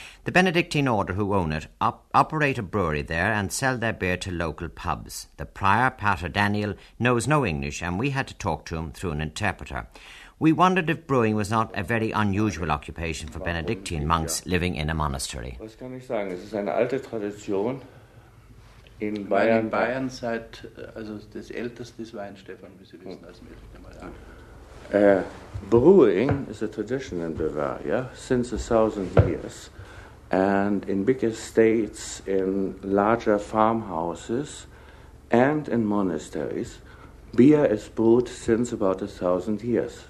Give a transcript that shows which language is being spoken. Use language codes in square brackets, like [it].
[en] The Benedictine order who own it operate a brewery there and sell their beer to local pubs. The prior, Pater Daniel, knows no English, and we had to talk to him through an interpreter. We wondered if brewing was not a very unusual occupation for Benedictine monks living in a monastery. [de] Was kann ich sagen? Es ist eine alte Tradition in Bayern. Seit, also das älteste ist Wein, Stefan, wie Sie wissen, als [en] Brewing is a tradition in Bavaria since 1,000 years. And in bigger states, in larger farmhouses, and in monasteries, beer is brewed since about 1,000 years.